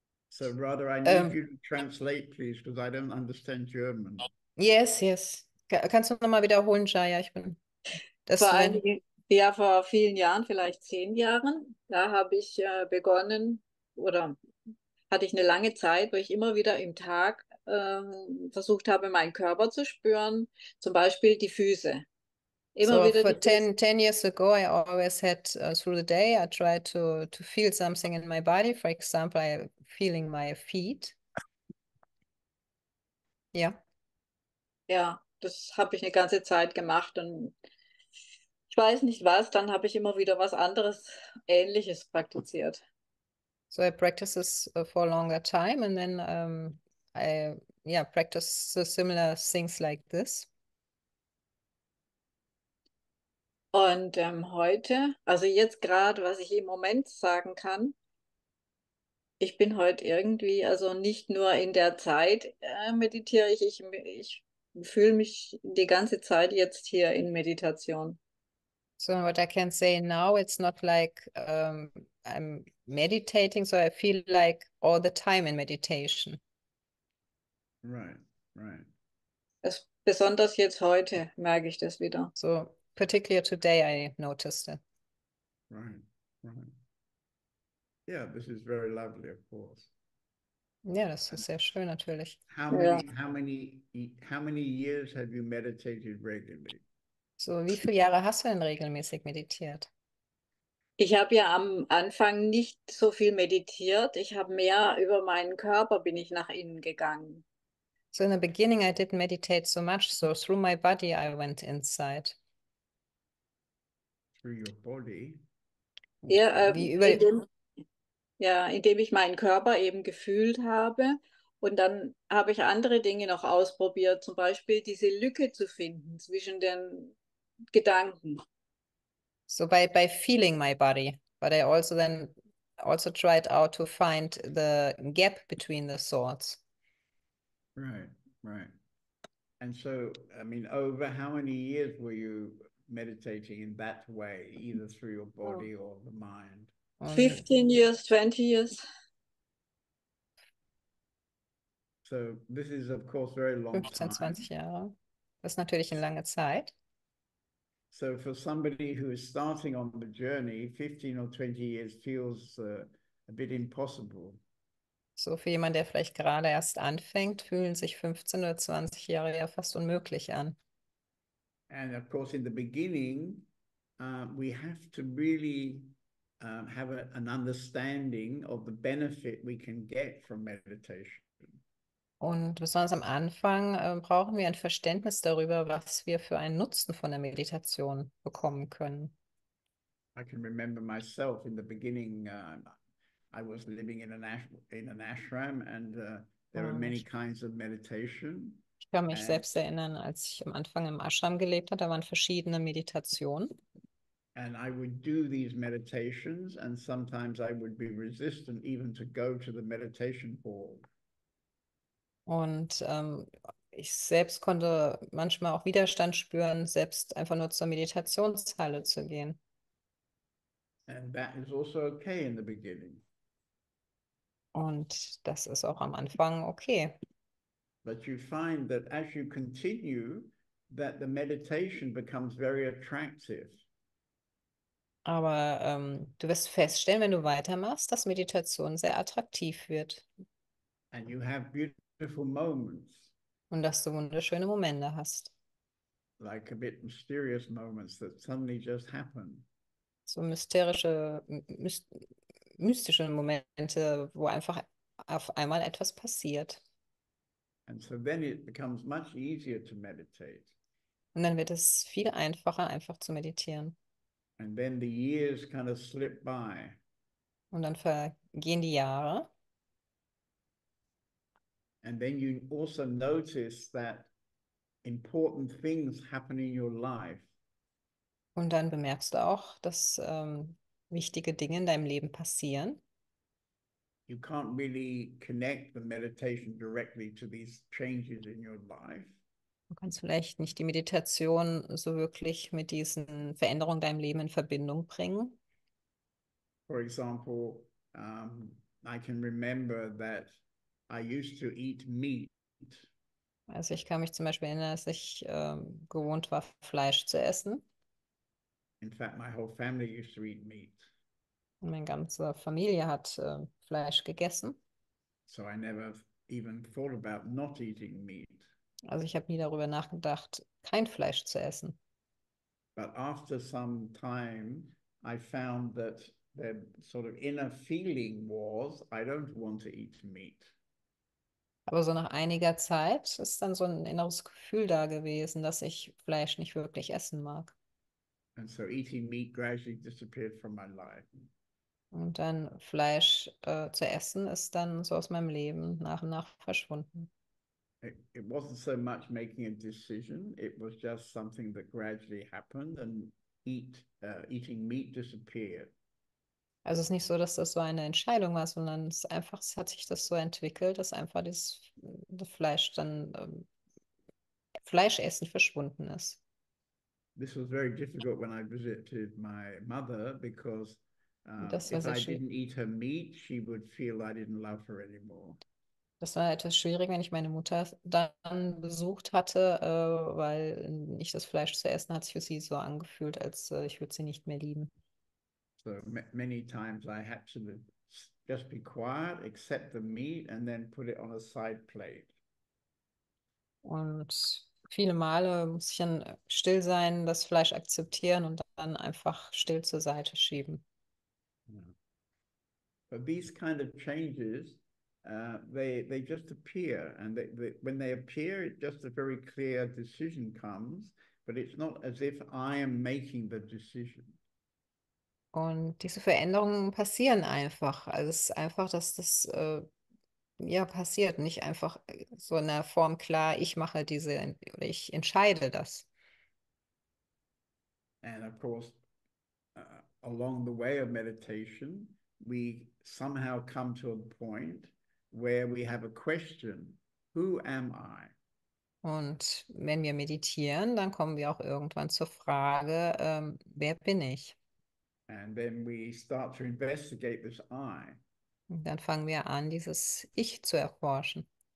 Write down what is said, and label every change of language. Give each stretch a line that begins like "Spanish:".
English: So, rather, I need you to translate, please, because I don't understand German.
German: Yes. Kannst du nochmal wiederholen, Jaya? Ich bin, dass Vor du. einigen, ja, vor vielen Jahren, vielleicht 10 Jahren, da habe ich begonnen oder hatte ich eine lange Zeit, wo ich immer wieder im Tag versucht habe, meinen Körper zu spüren, zum Beispiel die Füße. Immer wieder die
English: for
German: Füße.
English: 10 years ago, I always had through the day, I tried to feel something in my body. For example, I'm feeling my feet. Yeah.
German: Ja, das habe ich eine ganze Zeit gemacht und ich weiß nicht was, dann habe ich immer wieder was anderes, Ähnliches praktiziert.
English: So I practice this for a longer time, and then I practice similar things like this.
German: Und heute, also jetzt gerade, was ich im Moment sagen kann, ich bin heute irgendwie, also nicht nur in der Zeit meditiere ich fühle mich die ganze Zeit jetzt hier in Meditation.
English: So what I can say now, it's not like I'm meditating, so I feel like all the time in meditation. Right.
German: Es, besonders jetzt heute merke ich das wieder.
English: So particularly today I noticed it. Right. Yeah, this is very lovely, of course.
German: Ja, das ist sehr schön, natürlich.
English: How
German: Ja.
English: many years have you meditated regularly?
German: So, wie viele Jahre hast du denn regelmäßig meditiert? Ich habe ja am Anfang nicht so viel meditiert. Ich habe mehr über meinen Körper bin ich nach innen gegangen.
English: So in the beginning I didn't meditate so much, so through my body I went inside. Through your body.
German: Ja,
English: Okay.
German: indem ich meinen Körper eben gefühlt habe und dann habe ich andere Dinge noch ausprobiert, zum Beispiel diese Lücke zu finden zwischen den Gedanken.
English: So by feeling my body, but I also then also tried out to find the gap between the thoughts. Right. And so, I mean, over how many years were you meditating in that way, either through your Oh. body or the mind? 15 years, 20 years. So this is, of course, very long
German: 15, 20
English: time.
German: Jahre. Das ist natürlich eine lange Zeit.
English: So for somebody who is starting on the journey, 15 or 20 years feels a bit impossible.
German: So für jemanden, der vielleicht gerade erst anfängt, fühlen sich 15 oder 20 Jahre ja fast unmöglich an.
English: And of course, in the beginning, we have to really have an understanding of the benefit we can get from meditation.
German: Und besonders am Anfang brauchen wir ein Verständnis darüber, was wir für einen Nutzen von der Meditation bekommen können.
English: I can remember myself in the beginning, I was living in an ashram, and there are many
German: Und
English: kinds of meditation,
German: ich kann mich
English: and
German: selbst erinnern, als ich am Anfang im Ashram gelebt habe, da waren verschiedene Meditationen.
English: And I would do these meditations, and sometimes I would be resistant even to go to the meditation hall.
German: Und ich selbst konnte manchmal auch Widerstand spüren, selbst einfach nur zur Meditationshalle zu gehen.
English: And that is also okay in the beginning.
German: Und das ist auch am Anfang okay.
English: But you find that as you continue, that the meditation becomes very attractive.
German: Aber du wirst feststellen, wenn du weitermachst, dass Meditation sehr attraktiv wird.
English: And you have beautiful moments,
German: Und dass du wunderschöne Momente hast.
English: like a bit mysterious moments that suddenly just happen.
German: So mystische Momente, wo einfach auf einmal etwas passiert.
English: And so then it becomes much easier to meditate.
German: Und dann wird es viel einfacher, einfach zu meditieren.
English: And then the years kind of slip by.
German: Und dann vergehen die Jahre.
English: And then you also notice that important things happen in your life.
German: Und dann bemerkst du auch, dass wichtige Dinge in deinem Leben passieren.
English: You can't really connect the meditation directly to these changes in your life.
German: Du kannst vielleicht nicht die Meditation so wirklich mit diesen Veränderungen in deinem Leben in Verbindung bringen.
English: For example, I can remember that I used to eat meat.
German: Also ich kann mich zum Beispiel erinnern, dass ich gewohnt war, Fleisch zu essen.
English: In fact, my whole family used to eat meat.
German: Meine ganze Familie hat Fleisch gegessen.
English: So I never even thought about not eating meat.
German: Also ich habe nie darüber nachgedacht, kein Fleisch zu essen.
English: But after some time, I found that the sort of inner feeling was, I don't want to eat meat.
German: Aber so nach einiger Zeit ist dann so ein inneres Gefühl da gewesen, dass ich Fleisch nicht wirklich essen mag.
English: And so eating meat gradually disappeared from my life.
German: Und dann Fleisch zu essen, ist dann so aus meinem Leben nach und nach verschwunden.
English: It wasn't so much making a decision, it was just something that gradually happened and eating meat disappeared.
German: Also es ist nicht so, dass das so eine Entscheidung war, sondern es ist einfach, es hat sich das so entwickelt, dass einfach das Fleisch dann Fleischessen verschwunden ist.
English: This was very difficult when I visited my mother because
German: Das war
English: if
German: sehr
English: I
German: schwierig.
English: didn't eat her meat, she would feel I didn't love her anymore.
German: Das war etwas schwierig, wenn ich meine Mutter dann besucht hatte, weil ich das Fleisch zu essen hat sich für sie so angefühlt, als ich würde sie nicht mehr lieben.
English: So many times I had to just be quiet, accept the meat and then put it on a side plate.
German: Und viele Male muss ich dann still sein, das Fleisch akzeptieren und dann einfach still zur Seite schieben.
English: But these kind of changes, they just appear. And when they appear, it just a very clear decision comes. But it's not as if I am making the decision.
German: Und diese Veränderungen passieren einfach. Also es ist einfach, dass das ja passiert, nicht einfach so in der Form klar, ich mache diese oder ich entscheide das.
English: And of course, along the way of meditation, we somehow come to a point where we have a question, who am I?
German: Und wenn wir meditieren, dann kommen wir auch irgendwann zur Frage, wer bin ich?
English: And then we start to investigate this I.
German: Dann fangen wir an, dieses Ich zu erforschen.